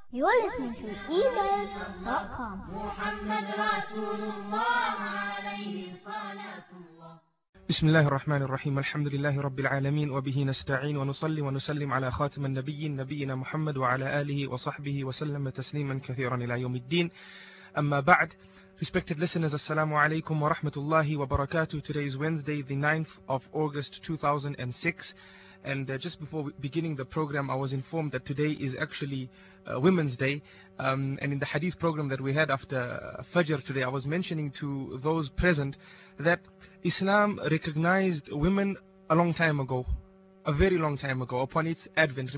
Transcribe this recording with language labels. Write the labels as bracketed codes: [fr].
[en] You're listening to ebuzz.com. [ar] محمد رسول الله عليه الصلاة. بسم الله الرحمن الرحيم. الحمد لله رب العالمين وبه نستعين ونصلي ونسلم على خاتم النبيين نبينا محمد وعلى آله وصحبه وسلم تسليما كثيرا إلى يوم الدين. أما بعد, [en] respected listeners, assalamu alaikum wa rahmatullahi wa barakatuh. Today is Wednesday, the 9th of August 2006. And just before beginning the program, I was informed that today is actually Women's Day. And in the Hadith program that we had after Fajr today, I was mentioning to those present that Islam recognized women a long time ago, a very long time ago, upon its advent.